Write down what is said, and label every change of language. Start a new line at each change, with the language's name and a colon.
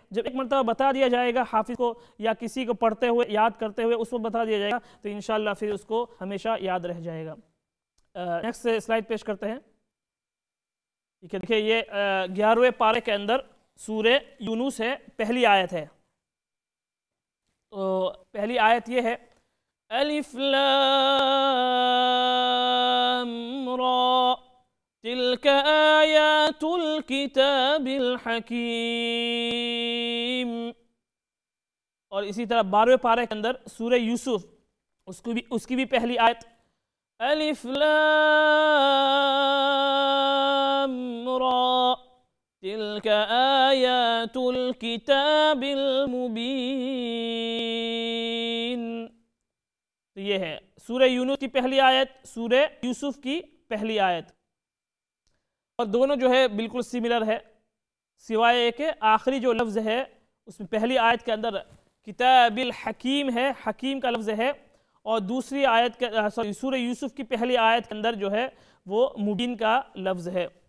Urdu: جب ایک مرتبہ بتا دیا جائے گا حافظ کو یا کسی کو پڑھتے ہوئے یاد کرتے ہوئے اس وقت بتا دیا جائے گا تو انشاءاللہ پھر اس کو ہمیشہ یاد رہ جائے گا. نیکسٹ سلائیڈ پیش کرتے ہیں. ٹھیک ہے, دیکھیے یہ 11ویں پارے کے اندر سورہ یونس ہے, پہلی آیت ہے. پہلی آیت یہ ہے,
Arabic: الف لام را تلک آیات الکتاب الحکیم,
Urdu: اور اسی طرح 12ویں پارے کے اندر سورہ یوسف, اس کی بھی پہلی آیت,
Arabic: الف لام را تِلْكَ آيَاتُ الْكِتَابِ الْمُبِينِ.
Urdu: تو یہ ہے سورہ یونس کی پہلی آیت, سورہ یوسف کی پہلی آیت, اور دونوں جو ہے بالکل سیملر ہے سوائے ایک, آخری جو لفظ ہے اس میں پہلی آیت کے اندر کتاب الحکیم ہے, حکیم کا لفظ ہے, اور دوسری آیت سورہ یوسف کی پہلی آیت کے اندر جو ہے وہ مبین کا لفظ ہے.